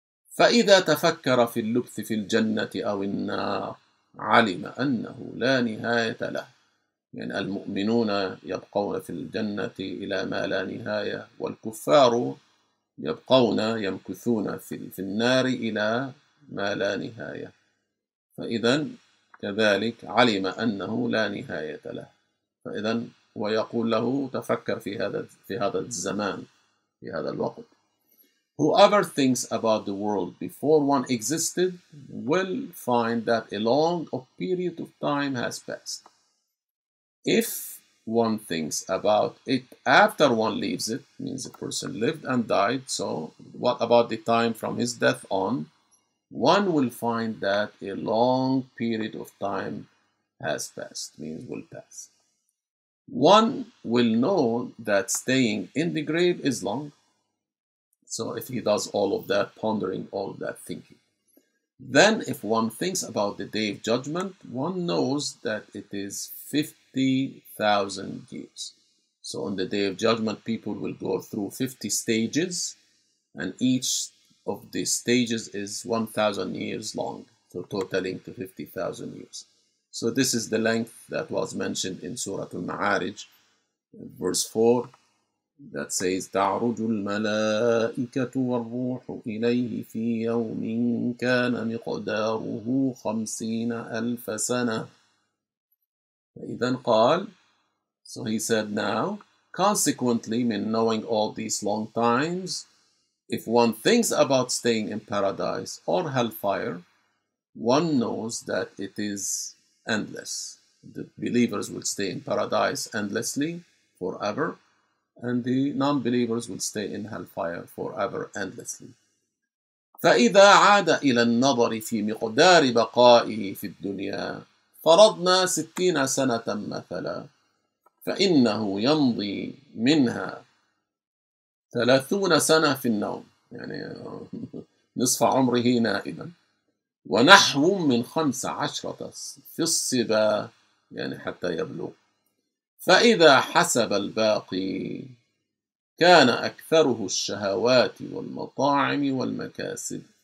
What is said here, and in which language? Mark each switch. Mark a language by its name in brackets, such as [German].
[Arabic] فإذا تفكر في اللبث في الجنة أو النار علم أنه لا نهاية له، يعني المؤمنون يبقون في الجنة إلى ما لا نهاية، والكفار يبقون يمكثون في النار إلى ما لا نهاية. فإذا كذلك علم أنه لا نهاية له، فإذا ويقول له تفكر في هذا الزمان، في هذا الوقت. [English] Whoever thinks about the world before one existed will find that a long period of time has passed. If one thinks about it after one leaves it, means a person lived and died, so what about the time from his death on? One will find that a long period of time has passed, means will pass. One will know that staying in the grave is long. So if he does all of that, pondering all of that thinking. Then if one thinks about the Day of Judgment, one knows that it is 50,000 years. So on the Day of Judgment, people will go through 50 stages, and each of these stages is 1,000 years long, so totaling to 50,000 years. So this is the length that was mentioned in Surah Al-Ma'arij, verse 4. That says [Arabic] تعرج الملائكة والروح إليه في يوم كان مقداره 50,000 سنة. فإذن قال, [English] so he said now, consequently, من knowing all these long times, if one thinks about staying in paradise or hellfire, one knows that it is endless. The believers will stay in paradise endlessly forever, and the non-believers will stay in hellfire forever endlessly. [Arabic] فَإِذَا عَادَ إِلَى النَّظَرِ فِي مِقْدَارِ بَقَائِهِ فِي الدُّنْيَا فَرَضْنَا 60 سَنَةً مَثَلًا فَإِنَّهُ يَمْضِي مِنْهَا 30 سنة في النوم, يعني نصف عمره نائما, ونحو من 15 في الصبا, يعني حتى يبلغ, فإذا حسب الباقي كان أكثره الشهوات والمطاعم والمكاسب.